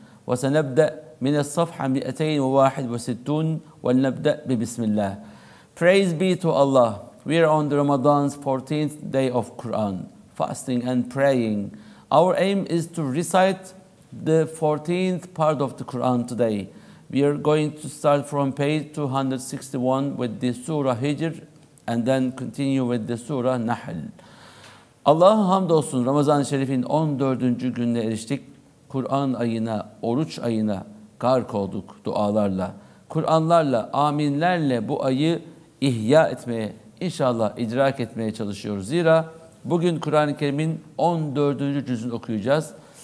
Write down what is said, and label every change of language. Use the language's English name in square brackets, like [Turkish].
[Arabic] Ve senebde' من الصفحة 261 ولنبدأ ببسم الله. [English] Praise be to Allah. We are on the Ramadan's 14th day of Quran, fasting and praying. Our aim is to recite the 14th part of the Quran today. We are going to start from page 261 with the Surah Hijr and then continue with the Surah Nahl. [Turkish] Allah'a hamdolsun Ramazan-ı Şerif'in 14. gününe eriştik. Kur'an ayına, oruç ayına gark olduk dualarla, Kur'anlarla, aminlerle bu ayı ihya etmeye, inşallah idrak etmeye çalışıyoruz. Zira bugün Kur'an-ı Kerim'in 14. cüzünü okuyacağız.